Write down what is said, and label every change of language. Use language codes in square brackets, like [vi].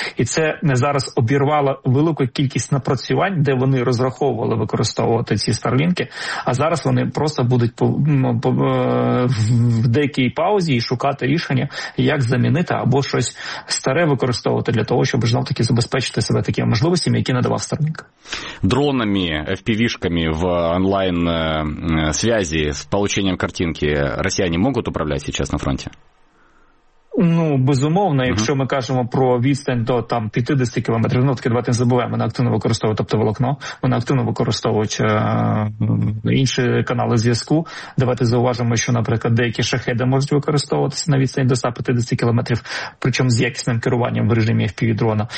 [uk] І це не зараз обірвало велику кількість напрацювань, де вони розраховували використовувати ці старлінки, а зараз вони просто будуть в деякій паузі і шукати рішення, як замінити або щось старе використовувати для того, щоб знов-таки забезпечити себе такими можливостями, які надавав Starlink. [ru] Дрони FPV-шками в онлайн-связи с получением картинки россияне могут управлять сейчас на фронте? [uk] Ну, безумовно, якщо ми кажемо про відстань до там 50 кілометрів, ну, таки, давайте не забуваємо, вони активно використовують оптоволокно, вони активно використовують інші канали зв'язку. Давайте зауважимо, що, наприклад, деякі шахеди можуть використовуватися на відстані до 150 кілометрів, причому з якісним керуванням в режимі FPV-дрона.